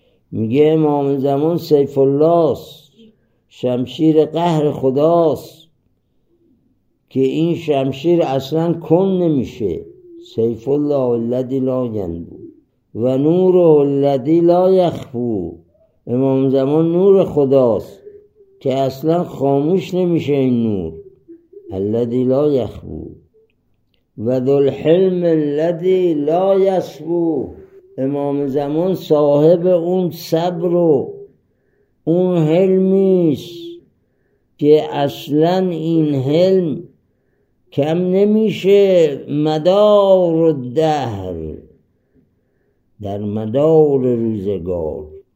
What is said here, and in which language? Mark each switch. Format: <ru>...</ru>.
<fa>میگه امام زمان سیف الله است، شمشیر قهر خداست، که این شمشیر اصلا کن نمیشه.</fa> <ar>سیف الله الذی لا ینبو و نور الذی لا یخفو.</ar> <fa>امام زمان نور خداست که اصلا خاموش نمیشه. این</fa> <ar>نور الذی لا یخفو و ذو الحلم الذی لا یسبو.</ar> <fa>امام زمان صاحب اون صبر و اون حلمیست که اصلا این حلم کم نمیشه.</fa> <ar>مدار الدهر،</ar> <fa>در مدار روزگار.</fa>